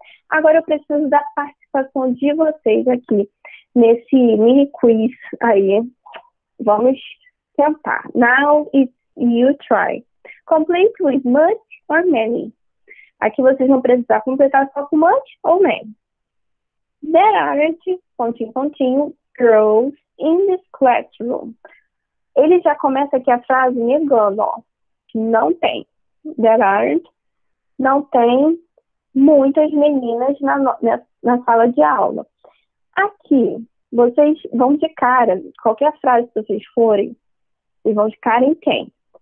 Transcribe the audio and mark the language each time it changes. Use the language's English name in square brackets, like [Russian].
[Portuguese] Agora eu preciso da participação de vocês aqui nesse mini quiz aí. Vamos tentar. [English] Now it's you try. Complete with much or many. [Portuguese] Aqui vocês vão precisar completar só com much ou many. [English] There aren't, [Portuguese] pontinho, pontinho, [English] girls in this classroom. [Portuguese] Ele já começa aqui a frase negando, ó. Não tem. [English] There aren't. [Portuguese] Não tem muitas meninas na sala de aula. Aqui, vocês vão de cara, qualquer frase que vocês forem, e vão de cara em quem?